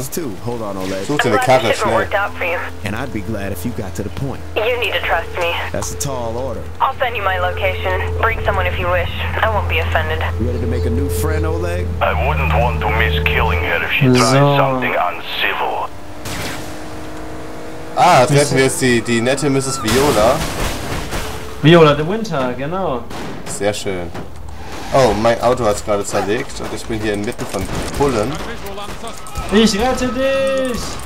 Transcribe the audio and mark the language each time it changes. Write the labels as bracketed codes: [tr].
[de] Such dir eine Karre, schnell. [en] And I'd be glad if you got to the point. You need to trust me. That's a tall order. I'll send you my location. Bring someone if you wish. I won't be offended. Ready to make a new friend, Oleg? I wouldn't want to miss killing her if she tries something uncivil. [de] Ah, treffen wir jetzt die nette Mrs. Viola. Viola de Winter, genau. Sehr schön. Oh, mein Auto hat es gerade zerlegt und ich bin hier inmitten von Pullen. Ich rette dich!